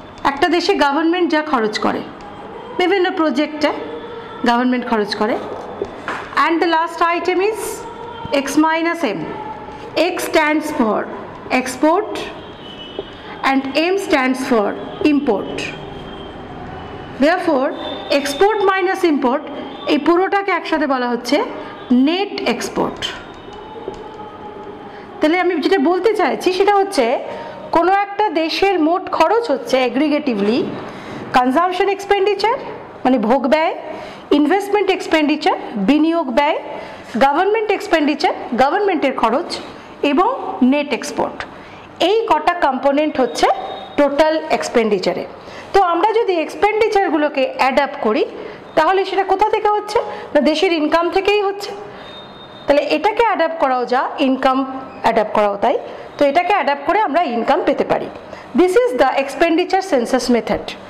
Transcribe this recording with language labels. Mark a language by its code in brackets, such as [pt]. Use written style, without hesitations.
[bn] একটা দেশে গভর্নমেন্ট যা খরচ করে বিভিন্ন প্রজেক্টে গভর্নমেন্ট খরচ করে, [en] and the last item is X minus M, X stands for export and M stands for import, therefore export minus import, [bn] এই পুরোটাকে একসাথে বলা হচ্ছে নেট এক্সপোর্ট। তাহলে আমি যেটা বলতে চাইছি সেটা হচ্ছে কোনো একটা দেশের মোট খরচ হচ্ছে অ্যাগ্রিগেটিভলি [en] consumption expenditure, [bn] mani bhog bay, [en] investment expenditure, [bn] biniyog bay, [en] government expenditure, government [bn] er kharoch, ebong [en] net export. [bn] এই কটা কম্পোনেন্ট হচ্ছে টোটাল এক্সপেন্ডিচারে। তো আমরা যদি এক্সপেন্ডিচারগুলোকে অ্যাড আপ করি তাহলে সেটা কোথা থেকে হচ্ছে? না দেশের ইনকাম থেকেই হচ্ছে। তাহলে এটাকে অ্যাড আপ করাও যা, ইনকাম অ্যাড আপ করাও তাই। তো এটাকে অ্যাড আপ করে আমরা ইনকাম পেতে পারি। [en] This is the expenditure census method.